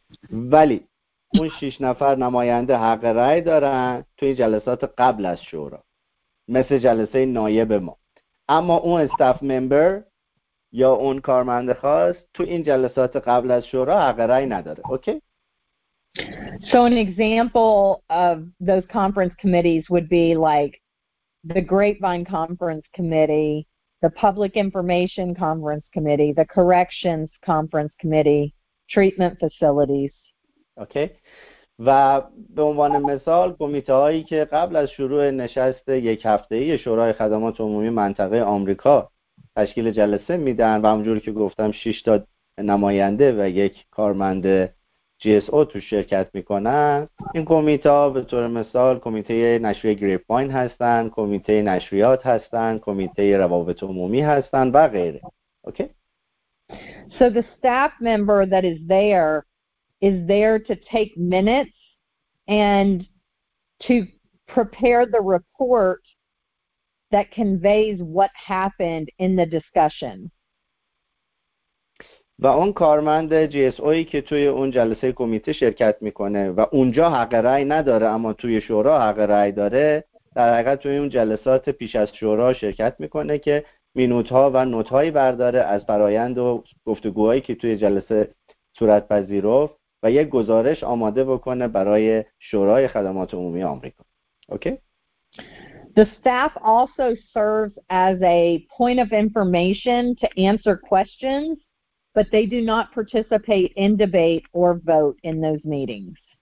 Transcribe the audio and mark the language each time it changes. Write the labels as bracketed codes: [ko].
[fa] ولی اون 6 نفر نماینده حق رأی دارن توی جلسات قبل از شورا، مثل جلسه نایب ما. اما اون [en] staff member [fa] یا اون کارمند خاص تو این جلسات قبل از شورا حق رأی نداره. اوکی؟ [en] So an example of those conference committees would be like the Grapevine Conference Committee, the Public Information Conference Committee, the Corrections Conference Committee, Treatment Facilities. Okay. [fa] و به عنوان مثال کمیته هایی که قبل از شروع نشست یک هفته ای شورای خدمات عمومی منطقه آمریکا تشکیل جلسه میدن و همونجوری که گفتم 6 تا نماینده و 1 کارمند GSO تو شرکت میکنن. این کمیته ها به طور مثال کمیته نشریه گریپ واین هستن، کمیته نشریات هستن، کمیته روابط عمومی هستن و غیره. اوکی؟ [en] So the staff member that is there to take minutes and to prepare the report that conveys what happened in the discussion. [fa] و اون کارمند جی اس او که توی اون جلسه کمیته شرکت میکنه و اونجا حق رأی نداره اما توی شورا حق رأی داره، در حقیقت توی اون جلسات پیش از شورا شرکت میکنه که مینوت ها و نوت هایی برداره از فرایند و گفتگوهایی که توی جلسه صورت پذیرفت و یک گزارش آماده بکنه برای شورای خدمات عمومی آمریکا. اوکی؟ [en] The staff also serves as a point of information to answer questions, but they do not participate in debate or vote in those meetings.